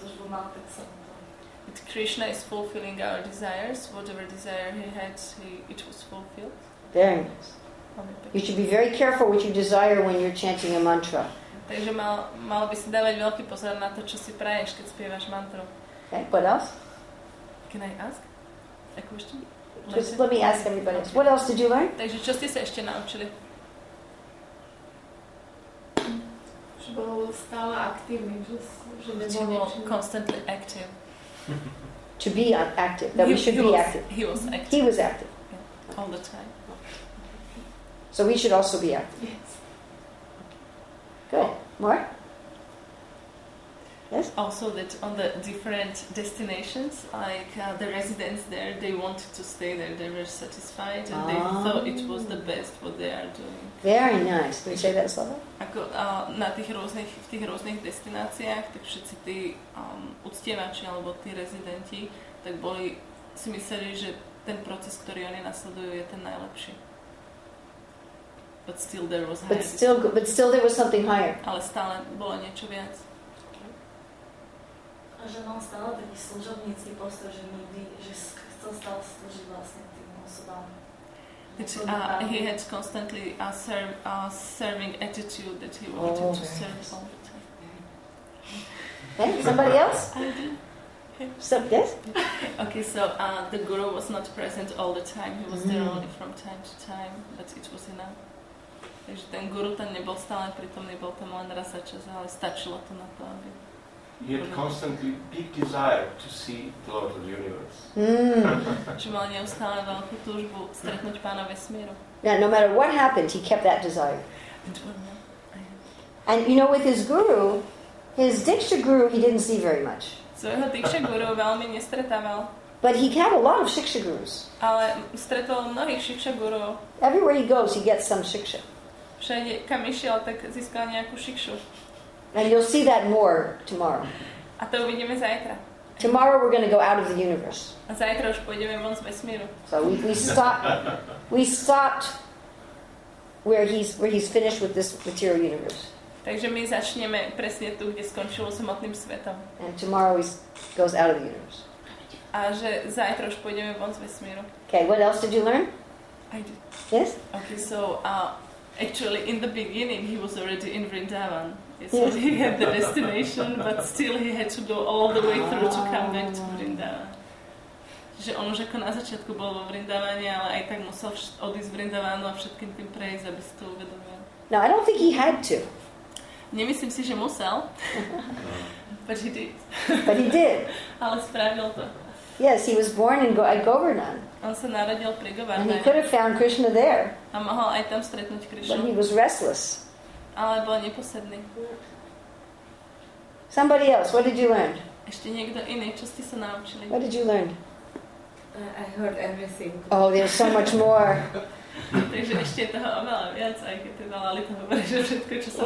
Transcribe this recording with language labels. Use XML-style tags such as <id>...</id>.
<en>That Krishna is fulfilling our desires, whatever desire he had, it was fulfilled. Very nice. You should be very careful what you desire when you're chanting a mantra.</en> <sk>Takže mal by si dávať veľký pozor na to, čo si praješ, keď spievaš mantru.</sk> <en>Okay, what else? Can I ask a question? Just let me ask everybody else. What else did you learn?</en> <sk>Takže čo ste sa ešte naučili? Že bol stále aktívny. Že bol</sk> <en>constantly active. To be active. That we should be active. He was active. He was active. Yeah. All the time. So we should also be active. Yes. Good. More? Yes? Also that on the different destinations, like the residents there, they wanted to stay there. They were satisfied and they thought it was the best what they are doing. Very nice. Can you say that slowly?</en> <sk>Ako na tých rôznych, v tých rôznych destináciách, tak všetci tí uctievači alebo tí rezidenti, tak boli, si mysleli, že ten proces, ktorý oni nasledujú, je ten najlepší.</sk> <en>But still there was something higher.</en> <sk>Ale stále bolo niečo viac. A že mal stále taký služobnícky postoj, že nikdy, že chcel stále slúžiť vlastne tým osobám.</sk> <en>He had constantly a serving attitude that he wanted to serve all the time. Hey, somebody else? So the guru was not present all the time. He was there only from time to time, but it was enough.</en> <sk>Takže ten guru tam nebol stále prítomný, bol tam len raz za čas, ale stačilo to na to, aby...</sk> <en>He had constantly big desire to see the Lord of the Universe.</en> <sk>Čo mal neustále veľkú túžbu stretnúť Pána vesmíru.</sk> <en>Yeah, no matter what happened, he kept that desire. And you know, with his guru, his Diksha guru, he didn't see very much.</en> <sk>So jeho Diksha guru veľmi nestretával.</sk> <en>But he had a lot of Shiksha gurus.</en> <sk>Ale stretol mnohých Shiksha guru.</sk> <en>Everywhere he goes, he gets some Shiksha.</en> <sk>Všade, kam išiel, tak získal nejakú šikšu.</sk> <en>And you'll see that more tomorrow.</en> <sk>A to uvidíme zajtra.</sk> <en>Tomorrow we're going to go out of the universe.</en> <sk>A zajtra už pôjdeme von z vesmíru.</sk> <en>So we stopped where he's finished with this material universe.</en> <sk>Takže my začneme presne tu, kde skončil s hmotným svetom.</sk> <en>And tomorrow he goes out of the universe.</en> <sk>A že zajtra už pôjdeme von z vesmíru.</sk> <en>Okay, what else did you learn? I did. Yes? Okay, so... Actually, in the beginning, he was already in Vrindavan. Yes. He had the destination, but still he had to go all the way through to come back to Vrindavan.</en> <sk>Že on už ako na začiatku bol vo Vrindavane, ale aj tak musel odísť Vrindavanu a všetkým tým prejsť, aby si to uvedomil.</sk> <en>No, I don't think he had to.</en> <sk>Nemyslím si, že musel.</sk> <en>But he did. But he did.</en> <sk>Ale spravil to.</sk> <en>Yes, he was born in Govardhan.</en> <sk>On sa narodil pri Govardhane.</sk> <en>And he could have found Krishna there.</en> <sk>A mohol aj tam stretnúť Krishnu.</sk> <en>But he was restless.</en> <sk>Ale bol neposedný.</sk> <en>Somebody else, what did you learn?</en> <sk>Ešte niekto iný, čo ste sa naučili?</sk> <en>What did you learn? I heard everything. Oh, there's so much more.</en> <sk>Takže ešte toho oveľa viac, aj keď to dala Lita hovorí, že všetko, čo sa</sk>